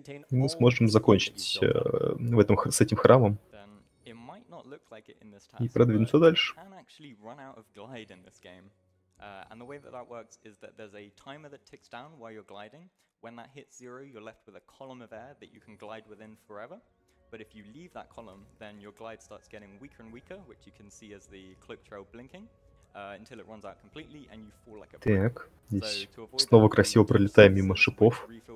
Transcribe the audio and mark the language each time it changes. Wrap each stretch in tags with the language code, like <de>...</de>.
<ru>И мы сможем закончить с этим храмом. И продвинуться дальше.</ru> <en>Can actually run out of glide in this game. And the way that that works is that there's a timer that ticks down while you're gliding. When that hits zero, you're left with a column of air that you can glide within forever. But if you leave that column, then your glide starts getting weaker and weaker, which you can see as the cloak trail blinking, until it runs out completely and you fall like a brick.</en> <ru>Так, здесь снова красиво пролетаем мимо шипов.</ru>